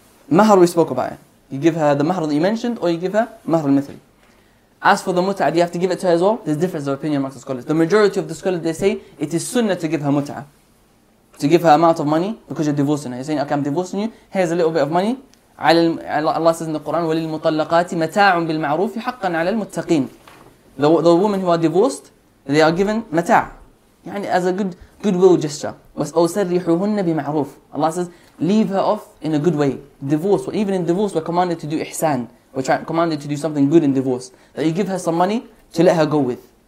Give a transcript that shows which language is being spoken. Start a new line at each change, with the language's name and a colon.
English: Mahar, we spoke about it. You give her the mahar that you mentioned, or you give her mahar al-mithl. As for the muta'ah, do you have to give it to her as well? There's difference of opinion amongst the scholars. The majority of the scholars, they say, it is sunnah to give her muta'ah. To give her amount of money, because you're divorcing her. You're saying, okay, I'm divorcing you, here's a little bit of money. Allah says in the Quran,
Arabic: وَلِلْمُطَلَّقَاتِ مَتَاعٌ بِالْمَعْرُوفِ حَقًّا عَلَى الْمُتَّقِينَ.
English: The women who are divorced, they are given mata'ah. يعني, as a goodwill gesture.
Arabic: وَسَرِّحُهُنَّ بِمَعْرُوفِ.
English: Allah says, leave her off in a good way. Divorce, or even in divorce, we're commanded to do ihsan. We're commanded to do something good in divorce. That you give her some money to let her go with.